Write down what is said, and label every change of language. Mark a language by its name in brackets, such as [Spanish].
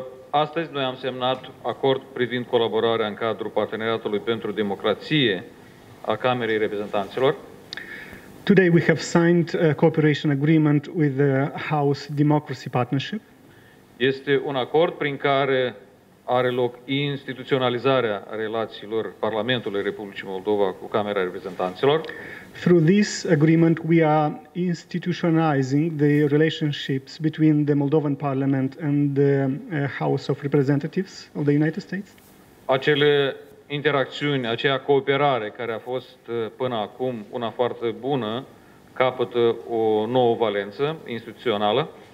[Romanian] Astăzi noi am semnat acord privind colaborarea în cadrul Parteneriatului pentru Democrație a Camerei Reprezentanților. [English] Today we have signed a cooperation agreement with the House Democracy Partnership. [Romanian] Este un acord prin care are loc instituționalizarea relațiilor Parlamentului Republicii Moldova cu Camera Reprezentanților. [English] Through this agreement we are institutionalizing the relationships between the Moldovan Parliament and the House of Representatives of the United States. [Romanian] Acele interacțiuni, aceea cooperare care a fost până acum una foarte bună, capătă o nouă valență instituțională.